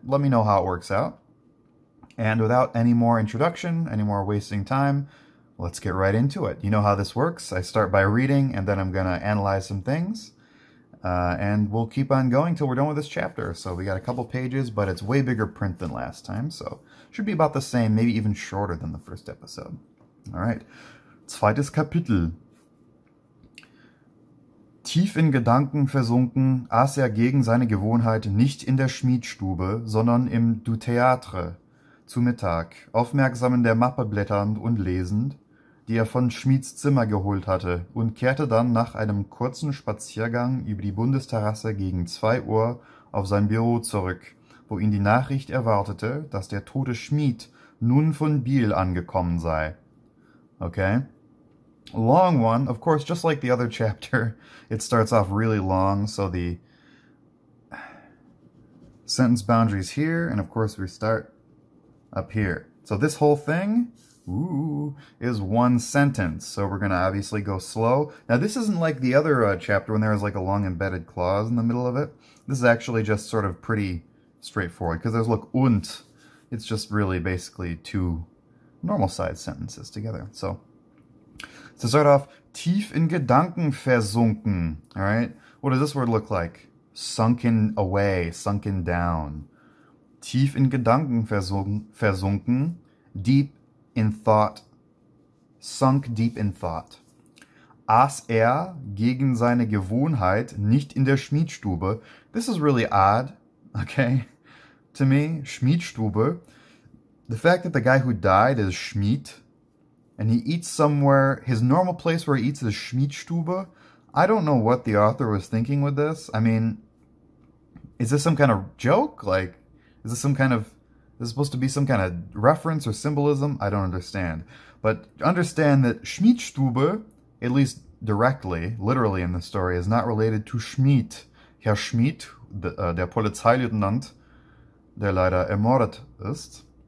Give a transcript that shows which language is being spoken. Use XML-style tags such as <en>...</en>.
<en>Let me know how it works out. And without any more introduction, any more wasting time, let's get right into it. You know how this works. I start by reading, and then I'm going to analyze some things. And we'll keep on going till we're done with this chapter. So we got a couple pages, but it's way bigger print than last time. So should be about the same, maybe even shorter than the first episode. All right,</en> <de>zweites Kapitel. Tief in Gedanken versunken, aß er gegen seine Gewohnheit nicht in der Schmiedstube, sondern im Du Théâtre zu Mittag, aufmerksam in der Mappe blätternd und lesend, die er von Schmieds Zimmer geholt hatte, und kehrte dann nach einem kurzen Spaziergang über die Bundesterrasse gegen 2 Uhr auf sein Büro zurück, wo ihn die Nachricht erwartete, dass der tote Schmied nun von Biel angekommen sei.</de> <en>Okay, long one, of course, just like the other chapter, it starts off really long, so the sentence boundaries here, and of course we start up here. So this whole thing, is one sentence, so we're gonna obviously go slow. Now this isn't like the other chapter when there was like a long embedded clause in the middle of it. This is actually just sort of pretty straightforward, because there's like und, it's just really basically two normal size sentences together. So to start off,</en> <de>tief in Gedanken versunken.</de> <en>All right. What does this word look like? Sunken away, sunken down.</en> <de>Tief in Gedanken versunken,</de> <en>deep in thought, sunk deep in thought.</en> <de>Aß er gegen seine Gewohnheit nicht in der Schmiedstube.</de> <en>This is really odd, okay, to me. Schmiedstube. The fact that the guy who died is Schmidt, and he eats somewhere, his normal place where he eats is Schmiedstube. I don't know what the author was thinking with this. I mean, is this some kind of joke? Like, is this some kind of, is this supposed to be some kind of reference or symbolism? I don't understand. But understand that Schmiedstube, at least directly, literally in the story, is not related to Schmidt.</en> <de>Herr Schmidt, der Polizeileutnant, der leider ermordet ist.</de>